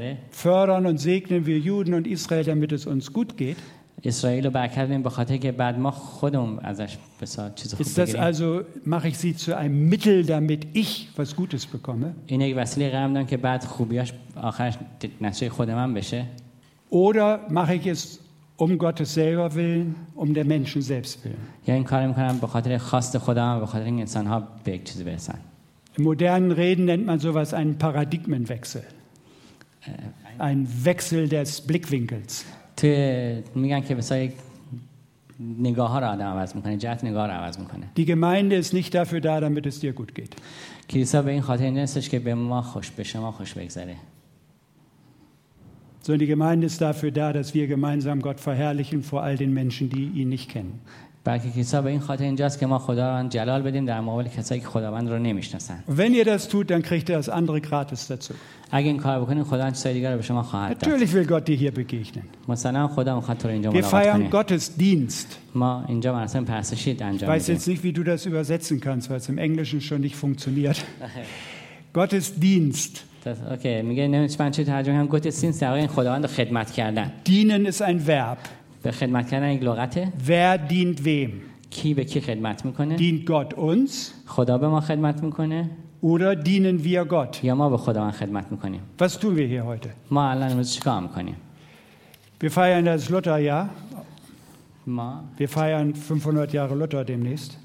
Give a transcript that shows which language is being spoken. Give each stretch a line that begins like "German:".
German: Fördern und segnen wir Juden und Israel, damit es uns gut geht?
Persian: اسرائیل رو برکردیم به خاطر که بعد ما خودم ازش بسیار چیز خوب بگیریم.
German: Also mache ich sie zu einem Mittel, damit ich was Gutes bekomme.
Persian: این یک وسیله قرار میدم که بعد خوبیاش آخرش نتیجه خودم هم بشه.
German: Oder mache ich es um Gottes selber willen, um der Menschen selbst willen.
Persian: یا این کار میکنم به خاطر خواست خدا هم به خاطر اینکه انسان ها به یک چیز برسن.
German: In modernen Reden nennt man sowas einen Paradigmenwechsel. Ein Wechsel des Blickwinkels.
Persian: تو میگن که مثلا نگاه ها را آدم عوض میکنه جهت نگاه را عوض میکنه
German: Die Gemeinde ist nicht dafür da, damit es dir gut geht.
Persian: کلیسا به این خاطر نیستش که به ما خوش به شما خوش بگذره.
German: Sondern die Gemeinde ist dafür da, dass wir gemeinsam Gott verherrlichen vor all den Menschen, die ihn nicht kennen.
Persian: بلکه کلیسا به این خاطر اینجاست که ما خدا را جلال بدیم در مقابل کسایی که خداوند را نمیشناسن.
German: Wenn ihr das tut, dann kriegt ihr das andere gratis dazu.
Persian: اگه این کارو بکنید خدا چیزای دیگه رو به شما خواهد داد.
German: Natürlich will Gott dir hier begegnen.
Persian: مثلا خدا میخواد تو اینجا ملاقات کنه.
German: Wir feiern Gottesdienst.
Persian: ما اینجا مراسم پرستشی انجام میدیم.
German: Weiß jetzt nicht, wie du das übersetzen kannst, weil es im Englischen schon nicht funktioniert. Gottesdienst.
Persian: Okay, میگه نمیشه چی ترجمه کنم Gottesdienst یعنی خداوند رو خدمت کردن.
German: Dienen ist ein Verb.
Persian: به خدمت کردن یک لغته.
German: Wer dient wem?
Persian: کی به کی خدمت میکنه؟
German: Dient Gott uns?
Persian: خدا به ما خدمت میکنه؟
German: Oder dienen wir Gott?
Persian: یا ما به خداوند خدمت میکنیم.
German: Was tun wir hier heute?
Persian: ما الان امروز چیکار میکنیم؟
German: Wir feiern das Lutherjahr.
Persian: ما.
German: Wir feiern 500 Jahre Luther demnächst.